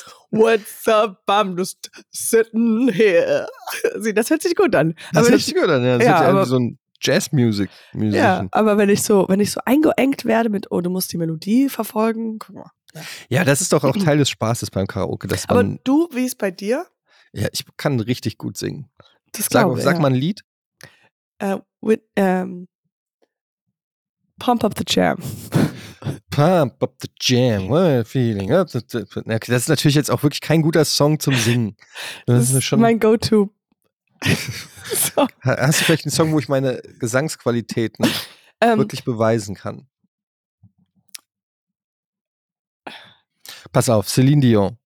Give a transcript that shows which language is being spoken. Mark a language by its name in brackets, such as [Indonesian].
[English] What's up, I'm just sitting here. [German] Das hört sich gut an. Das hört sich gut an, so ein Jazz-Music. Ja, aber wenn ich so eingeengt werde mit, oh, du musst die Melodie verfolgen. Guck mal. Ja, das ist doch auch Teil des Spaßes beim Karaoke. Wie ist bei dir? Ja, ich kann richtig gut singen. Das glaube ich. Sag mal ein Lied. [English] Pump up the jam. Pump up the jam, what a feeling. [German] Das ist natürlich jetzt auch wirklich kein guter Song zum Singen. Das ist schon mein Go-To. Hast du vielleicht einen Song, wo ich meine Gesangsqualitäten wirklich beweisen kann? Pass auf, Celine Dion.